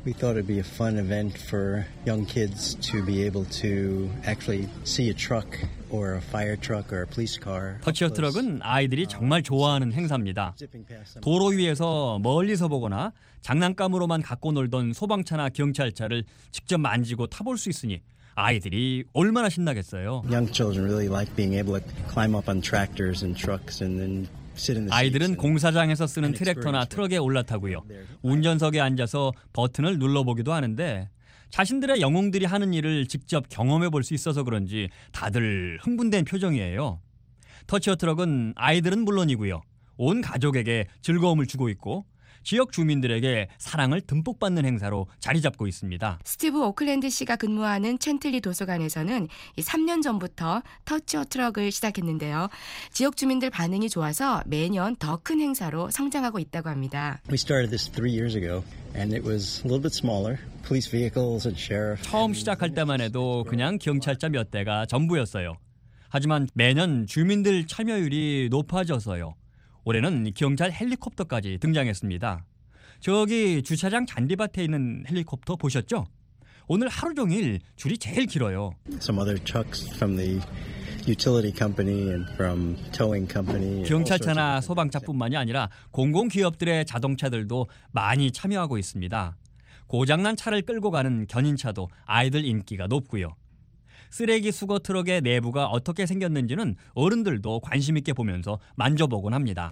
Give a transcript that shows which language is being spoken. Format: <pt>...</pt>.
<en>We thought it'd be a fun event for young kids to be able to actually see a truck. Or a fire truck or a police car.</en> <ko>터치어 트럭은 아이들이 정말 좋아하는 행사입니다. 도로 위에서 멀리서 보거나 장난감으로만 갖고 놀던 소방차나 경찰차를 직접 만지고 타볼 수 있으니 아이들이 얼마나 신나겠어요.</ko> <en>Young children really like being able to climb up on tractors and trucks and then</en> <ko>아이들은 공사장에서 쓰는 트랙터나 트럭에 올라타고요. 운전석에 앉아서 버튼을 눌러보기도 하는데 자신들의 영웅들이 하는 일을 직접 경험해 볼 수 있어서 그런지 다들 흥분된 표정이에요. 터치어 트럭은 아이들은 물론이고요. 온 가족에게 즐거움을 주고 있고 지역 주민들에게 사랑을 듬뿍 받는 행사로 자리 잡고 있습니다. 스티브 오클랜드 씨가 근무하는 첸틀리 도서관에서는 3년 전부터 터치어 트럭을 시작했는데요. 지역 주민들 반응이 좋아서 매년 더 큰 행사로 성장하고 있다고 합니다.</ko> <en>We started this 3 years ago and it was a little bit smaller. Police vehicles and sheriff.</en> <ko>처음 시작할 때만 해도 그냥 경찰차 몇 대가 전부였어요. 하지만 매년 주민들 참여율이 높아져서요. 올해는 경찰 헬리콥터까지 등장했습니다. 저기 주차장 잔디밭에 있는 헬리콥터 보셨죠? 오늘 하루 종일 줄이 제일 길어요.</ko> <en>Some other trucks from the utility company and from towing company.</en> <ko>경찰차나 소방차뿐만이 아니라 공공기업들의 자동차들도 많이 참여하고 있습니다. 고장난 차를 끌고 가는 견인차도 아이들 인기가 높고요. 쓰레기 수거 트럭의 내부가 어떻게 생겼는지는 어른들도 관심 있게 보면서 만져보곤 합니다.</ko>